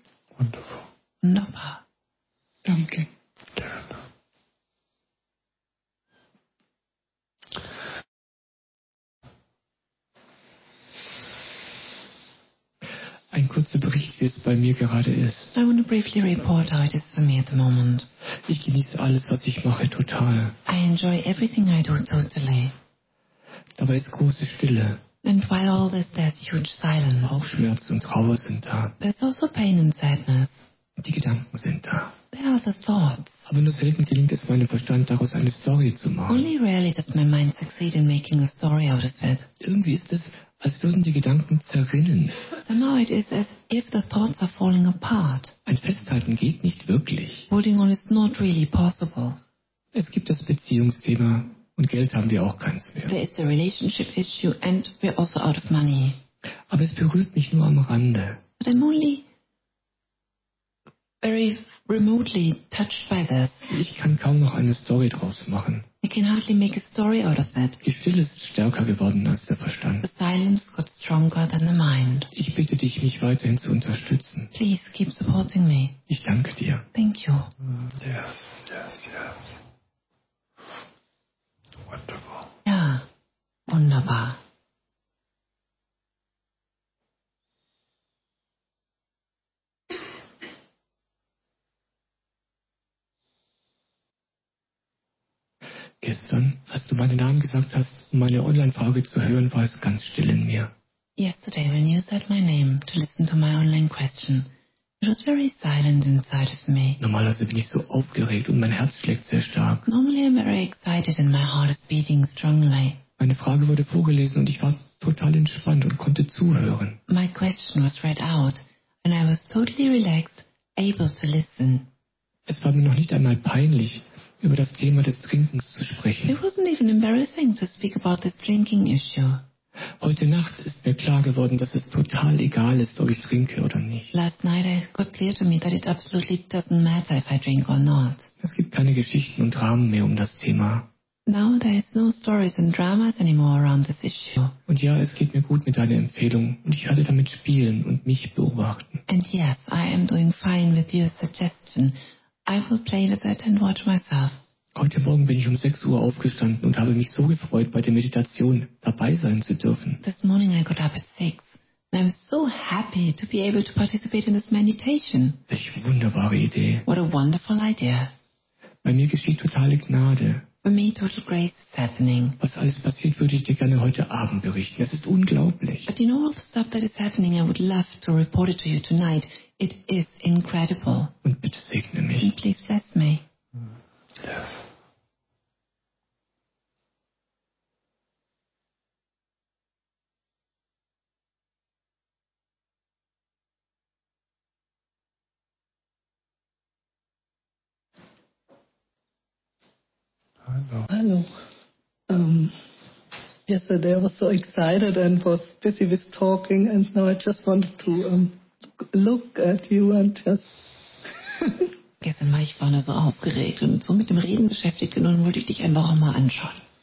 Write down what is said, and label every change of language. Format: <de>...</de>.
<de>Wunderbar. Wunderbar. Danke. Ein kurzer Bericht, wie es bei mir gerade ist.</de> <en>I want to briefly report how it is for me at the moment.</en> <de>Ich genieße alles, was ich mache, total.</de> <en>I enjoy everything I do totally.</en> <de>Dabei ist große Stille.</de> <en>And while all this, there's huge silence.</en> <de>Auch Schmerz und Trauer sind da.</de> <en>There's also pain and sadness.</en> <de>Die Gedanken sind da.</de> <en>There are the thoughts.</en> <de>Aber nur selten gelingt es, meinem Verstand daraus eine Story zu machen.</de> <en>Only rarely does my mind succeed in making a story out of it.</en> <de>Irgendwie ist es, als würden die Gedanken zerrinnen.</de> <en>So now it is as if the thoughts are falling apart.</en> <de>Ein Festhalten geht nicht wirklich.</de> <en>Holding on is not really possible.</en> <de>Es gibt das Beziehungsthema und Geld haben wir auch keins mehr.</de> <en>There is a relationship issue and we're also out of money.</en> <de>Aber es berührt mich nur am Rande.</de> <en>But I'm only very remotely touched by this.</en> <de>Ich kann kaum noch eine Story draus machen.</de> <en>I can hardly make a story out of it.</en> <de>Die Stille ist stärker geworden als der Verstand.</de> <en>The silence got stronger than the mind.</en> <de>Ich bitte dich, mich weiterhin zu unterstützen.</de> <en>Please keep supporting me.</en> <de>Ich danke dir.</de> <en>Thank you. Yes, yes, yes.</en> <de>Wunderbar. Ja, wunderbar. Gestern, als du meinen Namen gesagt hast, um meine Online-Frage zu hören, war es ganz still in mir.</de> <en>Yesterday, when you said my name to listen to my online question, it was very silent inside of me.</en> <de>Normalerweise bin ich so aufgeregt und mein Herz schlägt sehr stark.</de> <en>Normally I'm very excited and my heart is beating strongly.</en> <de>Meine Frage wurde vorgelesen und ich war total entspannt und konnte zuhören.</de> <en>My question was read out and I was totally relaxed, able to listen.</en> <de>Es war mir noch nicht einmal peinlich, über das Thema des Trinkens zu sprechen.</de> <en>It wasn't even embarrassing to speak about this drinking issue.</en> <de>Heute Nacht ist mir klar geworden, dass es total egal ist, ob ich trinke oder nicht.</de> <en>Last night it got clear to me that it absolutely doesn't matter if I drink or not.</en> <de>Es gibt keine Geschichten und Dramen mehr um das Thema.</de> <en>Now there is no stories and dramas anymore around this issue.</en> <de>Und ja, es geht mir gut mit deiner Empfehlung und ich werde damit spielen und mich beobachten.</de> <en>And yes, I am doing fine with your suggestion. I will play with it and watch myself.</en> <de>Heute Morgen bin ich um 6 Uhr aufgestanden und habe mich so gefreut, bei der Meditation dabei sein zu dürfen.</de> <en>This morning I got up at 6 and I was so happy to be able to participate in this meditation.</en> <de>Welch wunderbare Idee.</de> <en>What a wonderful idea.</en> <de>Bei mir geschieht totale Gnade.</de> <en>For me, total grace is happening.</en> <de>Was alles passiert, würde ich dir gerne heute Abend berichten. Es ist unglaublich.</de> <en>But you know all the stuff that is happening, I would love to report it to you tonight. It is incredible.</en> <de>Und bitte segne mich.</de> <en>And please bless me. Hello. Yesterday I was so excited and was busy with talking, and now I just wanted to look at you and just.</en> <de>Gestern war ich vorne so aufgeregt und so mit dem Reden beschäftigt und nun wollte ich dich einfach auch mal anschauen.</de>